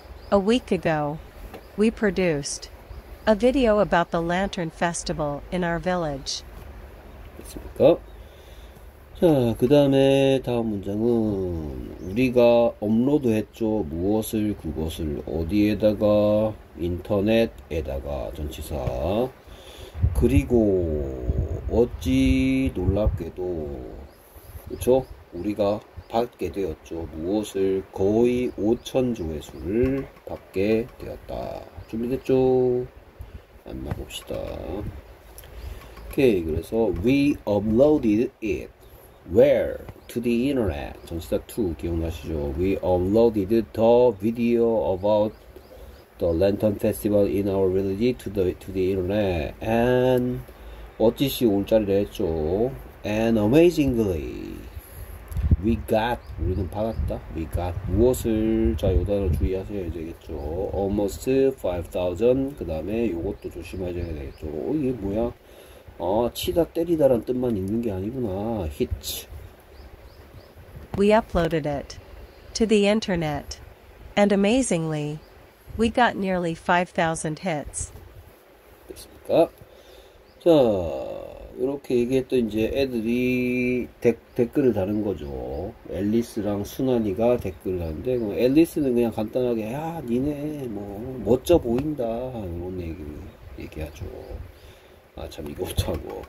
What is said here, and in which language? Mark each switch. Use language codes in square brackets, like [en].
[en] A week ago, we produced a video about the Lantern Festival in our village. [ko] 됐습니까? 자, 그 다음에 다음 문장은 우리가 업로드했죠. 무엇을, 그것을 어디에다가? 인터넷에다가 전치사. 그리고 어찌 놀랍게도 그렇죠? 우리가 받게 되었죠. 무엇을 거의 5천 조회수를 받게 되었다. 준비됐죠? 한번 봅시다. 오케이, 그래서 [en] we uploaded it. Where? To the internet. [ko] 전치사 to 기억나시죠? [en] We uploaded the video about the Lantern Festival in our village to the internet. [ko] And 어찌시 울자리를 했죠? [en] And amazingly, we got, [ko] 우리는 받았다. [en] We got [ko] 무엇을? 자, 요 단어 주의하셔야 되겠죠. [en] Almost 5,000. [ko] 그 다음에 요것도 조심하셔야 되겠죠. 이게 뭐야? 치다 때리다란 뜻만 있는 게 아니구나. [en] Hit. We uploaded it to the internet, and amazingly, we got nearly 5,000 hits. [ko] 됐습니까? 자, 이렇게 얘기했던 이제 애들이 댓글을 다는 거죠. 앨리스랑 순환이가 댓글을 다는데, 앨리스는 그냥 간단하게, 야, 니네, 멋져 보인다. 이런 얘기하죠. 아, 참, 이거 못하고.